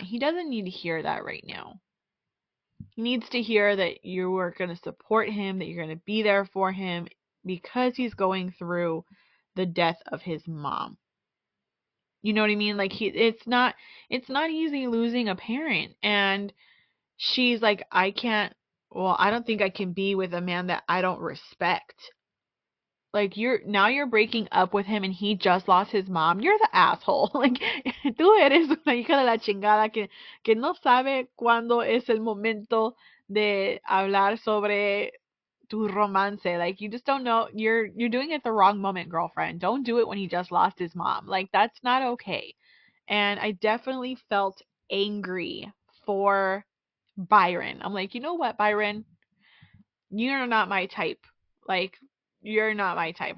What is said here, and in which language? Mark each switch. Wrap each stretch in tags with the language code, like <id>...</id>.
<en>He doesn't need to hear that right now. He needs to hear that you are going to support him, that you're going to be there for him because he's going through the death of his mom. You know what I mean? Like it's not easy losing a parent. And she's like, I don't think I can be with a man that I don't respect. Like you're breaking up with him and he just lost his mom. You're the asshole. Like,</en> <es>tú eres una hija de la chingada que no sabe cuándo es el momento de hablar sobre tu romance.</es> <en>Like, you just don't know. You're doing it at the wrong moment, girlfriend. Don't do it when he just lost his mom. Like, that's not okay. And I definitely felt angry for Byron. I'm like, you know what, Byron? You're not my type. Like, you're not my type.</en>